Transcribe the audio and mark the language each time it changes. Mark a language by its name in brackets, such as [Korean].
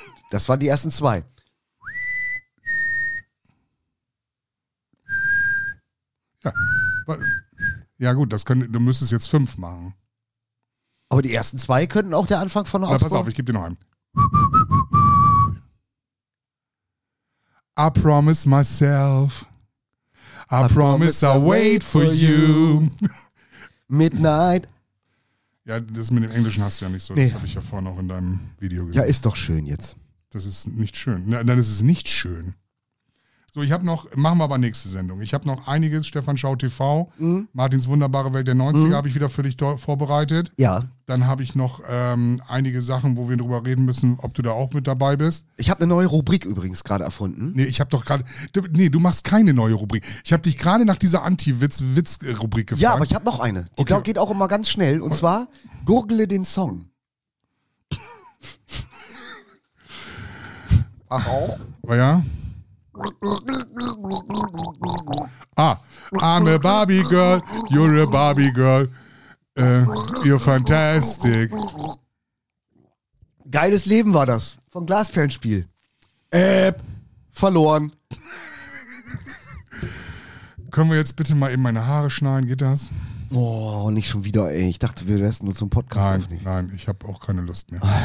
[German] Das waren die ersten 2. Ja gut, du müsstest jetzt 5 machen. Aber die ersten 2 könnten auch der Anfang von Augsburg. Na, pass auf, ich gebe dir noch einen. [English] I promise myself, I promise I'll wait for you. Midnight. [German] Ja, das mit dem Englischen hast du ja nicht so. Nee. Das habe ich ja vorhin auch in deinem Video gesehen. Ja, ist doch schön jetzt. Das ist nicht schön. Dann ist es nicht schön. So, ich habe noch, machen wir aber nächste Sendung. Ich habe noch einiges, Stefan Schau TV, Martins wunderbare Welt der 90er habe ich wieder für dich vorbereitet. Ja. Dann habe ich noch einige Sachen, wo wir drüber reden müssen, ob du da auch mit dabei bist. Ich habe eine neue Rubrik übrigens gerade erfunden. Nee, ich habe doch gerade, du machst keine neue Rubrik. Ich habe dich gerade nach dieser Anti-Witz-Rubrik gefragt. Ja, aber ich habe noch eine. Die geht auch immer ganz schnell und zwar, gurgle den Song. Ach auch? Ja. [English] Ah, I'm a Barbie Girl, you're a Barbie Girl, you're fantastic. [German] Geiles Leben war das, vom Glasperlenspiel. Verloren. Können wir jetzt bitte mal eben meine Haare schneiden, geht das? Boah, nicht schon wieder, ey. Ich dachte, wir wären nur zum Podcast. Nein, aufnehmen. Nein, ich habe auch keine Lust mehr.